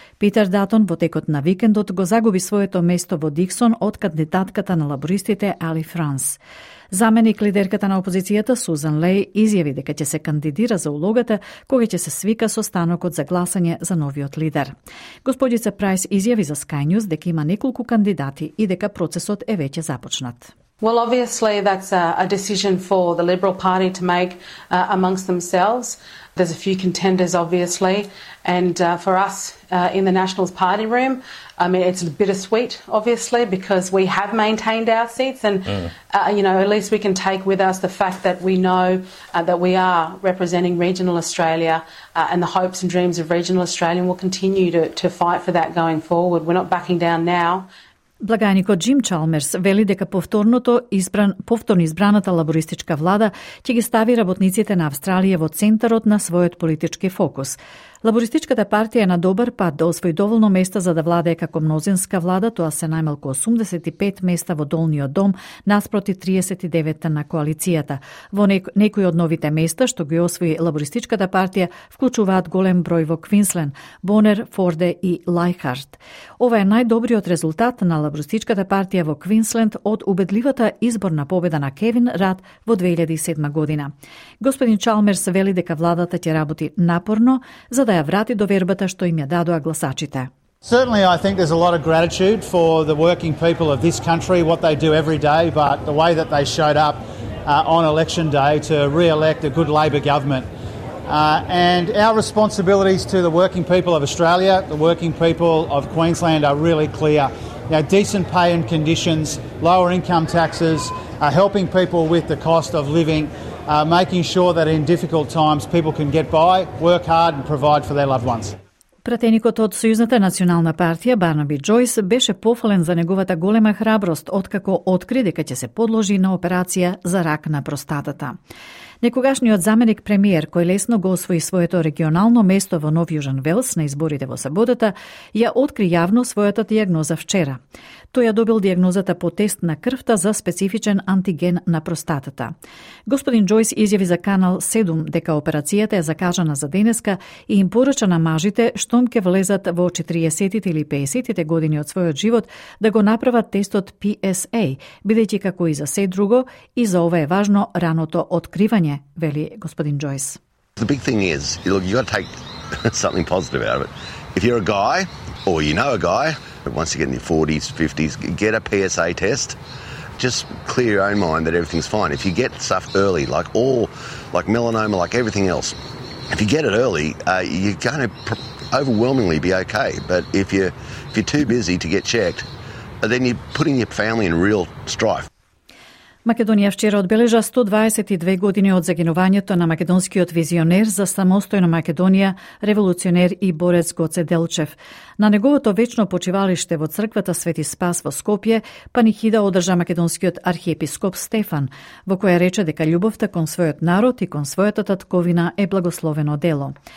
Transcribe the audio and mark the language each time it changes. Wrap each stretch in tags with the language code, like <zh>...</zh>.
<mk>Питер Датон во текот на викендот го загуби своето место во Диксон од кандидатката на лабористите Али Франс. Заменик лидерката на опозицијата Сузан Леј изјави дека ќе се кандидира за улогата кога ќе се свика состанокот за гласање за новиот лидер. Господица Прајс изјави за Sky News дека има неколку кандидати и дека процесот е веќе започнат.</mk> <en>Well, obviously that's a decision for the Liberal Party to make amongst themselves. There's a few contenders obviously, and for us in the Nationals party room, I mean it's a bittersweet obviously because we have maintained our seats and you know, at least we can take with us the fact that we know that we are representing regional Australia and the hopes and dreams of regional Australia will continue to fight for that going forward. We're not backing down now.</en> <mk>Благајникот Джим Чалмерс вели дека повторно избраната лабористичка влада ќе ги стави работниците на Австралија во центарот на својот политички фокус. Лабористичката партија е на добар пат да освои доволно места за да владее како мнозинска влада, тоа се најмалку 85 места во долниот дом, наспроти 39 на коалицијата. Во некои од новите места што ги освои лабористичката партија вклучуваат голем број во Квинслен, Бонер, Форде и Лајхард. Ова е најдобриот резултат на лабористичката партија во Квинсленд од убедливата изборна победа на Кевин Рад во 2007 година. Господин Чалмерс вели дека владата ќе работи напорно за да ја врати довербата што им ја дадоа гласачите.</mk> <en>Certainly I think there's a lot of gratitude for the working people of this country, what they do every day, but the way that they showed up on election day to re-elect a good Labor government. And our responsibilities to the working people of Australia, the working people of Queensland are really clear. Now, decent pay and conditions, lower income taxes, helping people with the cost of living, making sure that in difficult times people can get by, work hard and provide for their loved ones.</en> <mk>Пратеникот од Сојузната национална партија Барнаби Джойс беше пофален за неговата голема храброст откако откри дека ќе се подложи на операција за рак на простатата. Некогашниот заменик премиер, кој лесно го освои своето регионално место во Нов Јужен Велс на изборите во саботата, ја откри јавно својата дијагноза вчера. Тој ја добил дијагнозата по тест на крвта за специфичен антиген на простатата. Господин Джойс изјави за Канал 7 дека операцијата е закажана за денеска и им порача на мажите штом ќе влезат во 40-тите или 50-тите години од својот живот да го направат тестот PSA, бидејќи како и за се друго, и за ова е важно раното откривање.</mk> <en>The big thing is, look, you got to take something positive out of it. If you're a guy, or you know a guy, but once you get in your 40s, 50s, get a PSA test. Just clear your own mind that everything's fine. If you get stuff early, like all, like melanoma, like everything else, if you get it early, you're going to overwhelmingly be okay. But if you're too busy to get checked, then you're putting your family in real strife.</en> <mk>Македонија вчера одбележа 122 години од загинувањето на македонскиот визионер за самостојна Македонија, револуционер и борец Гоце Делчев. На неговото вечно почивалиште во Црквата Свети Спас во Скопје, панихида одржа македонскиот архиепископ Стефан, во која рече дека љубовта кон својот народ и кон својата татковина е благословено дело.</mk>